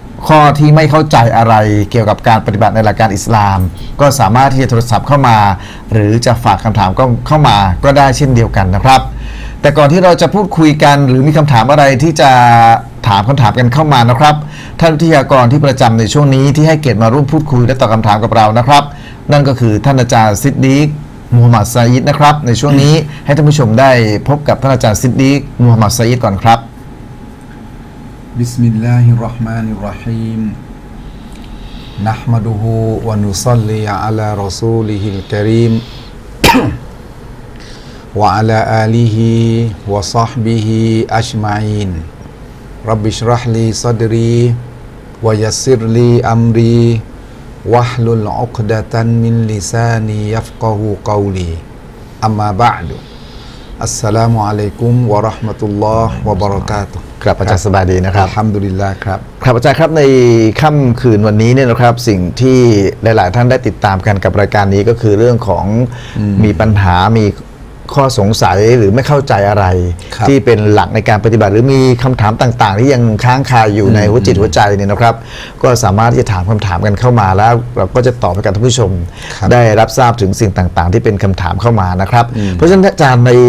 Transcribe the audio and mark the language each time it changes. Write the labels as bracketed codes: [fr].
[th] ข้อที่ไม่เข้าใจอะไรเกี่ยวกับการปฏิบัติในหลักการอิสลามก็สามารถที่จะโทรศัพท์เข้ามาหรือจะฝากคำถามก็เข้ามาก็ได้เช่นเดียวกันนะครับแต่ก่อนที่เราจะพูดคุยกันหรือมีคำถามอะไรที่จะถามคำถามกันเข้ามานะครับท่านวิทยากรที่ประจำในช่วงนี้ที่ให้เกียรติมาร่วมพูดคุยและตอบคำถามกับเรานะครับนั่นก็คือท่านอาจารย์ซิดดีกมูฮัมหมัดซาอิดนะครับในช่วงนี้ให้ท่านผู้ชมได้พบกับท่านอาจารย์ซิดดีกมูฮัมหมัดซาอิดก่อนครับ [ar] بسم الله الرحمن الرحيم نحمده ونصلي على رسوله الكريم وعلى آله وصحبه أجمعين رب اشرح لي صدري ويسر لي أمري واحلل عقدة من لساني يفقه قولي أما بعد السلام عليكم ورحمة الله وبركاته [th] ครับอาจารย์สบายดีนะครับ อัลฮัมดุลิลลาห์ครับ ครับอาจารย์ครับในค่ำคืนวันนี้เนี่ยนะครับสิ่งที่หลายๆท่านได้ติดตามกันกับรายการนี้ก็คือเรื่องของมีปัญหามีข้อสงสัยหรือไม่เข้าใจอะไรที่เป็นหลักในการปฏิบัติหรือมีคำถามต่างๆที่ยังค้างคาอยู่ในหัวจิตหัวใจเนี่ยนะครับก็สามารถที่จะถามคำถามกันเข้ามาแล้วเราก็จะตอบให้กับท่านผู้ชมได้รับทราบถึงสิ่งต่างๆที่เป็นคำถามเข้ามานะครับเพราะฉะนั้นอาจารย์